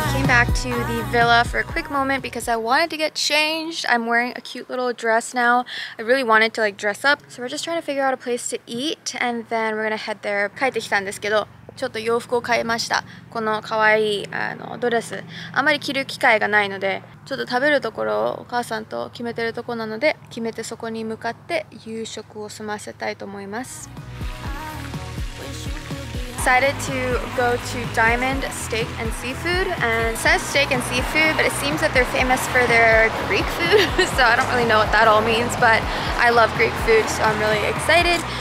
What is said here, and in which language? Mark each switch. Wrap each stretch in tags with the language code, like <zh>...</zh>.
<en>Back to the villa for a quick moment because I wanted to get changed. I'm wearing a cute little dress now. I really wanted to like dress up. So we're just trying to figure out a place to eat and then we're gonna head there.</en> <ja>帰ってきたんですけど、ちょっと洋服を変えました。この可愛いあのドレス。あまり着る機会がないので、ちょっと食べるところをお母さんと決めてるところなので、決めてそこに向かって夕食を済ませたいと思います。</ja> <en>Decided to go to Diamond Steak and Seafood, and it says steak and seafood, but it seems that they're famous for their Greek food, so I don't really know what that all means, but I love Greek food, so I'm really excited.</en>